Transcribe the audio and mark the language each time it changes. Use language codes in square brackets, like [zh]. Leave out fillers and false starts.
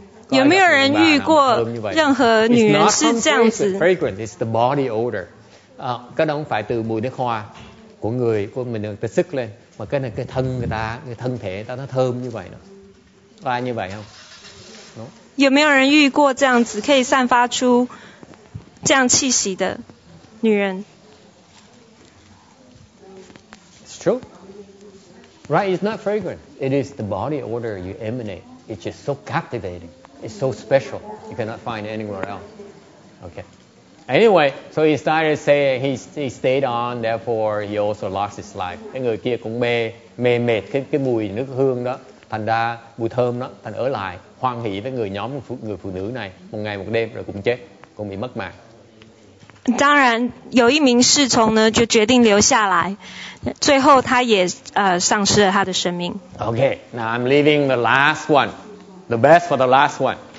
[zh] 有没有人遇过任何女人是这样子？ [en] Fragrance is the body odor. [vi] Cái đó không phải từ mùi nước hoa của người của mình được tích xúc lên, mà cái này cái thân thể ta nó thơm như vậy đó. Có ai như vậy không? [en] No. [zh] 有没有人遇过这样子可以散发出这样气息的女人？ [en] True. Right, it's not fragrant. It is the body odor you emanate. It's just so captivating. It's so special. You cannot find it anywhere else. Okay. Anyway, so he started to say he stayed on, therefore he also lost his life. [vi] Cái người kia cũng mệt cái mùi nước hương đó, thành ra mùi thơm đó, thành ở lại, hoan hỷ với người phụ nữ này, một ngày một đêm rồi cũng chết, cũng bị mất mạng. [zh] 当然有一名侍从呢就决定留下来。最后他也丧失了他的生命。 [en] Okay, now I'm leaving the last one. The best for the last one.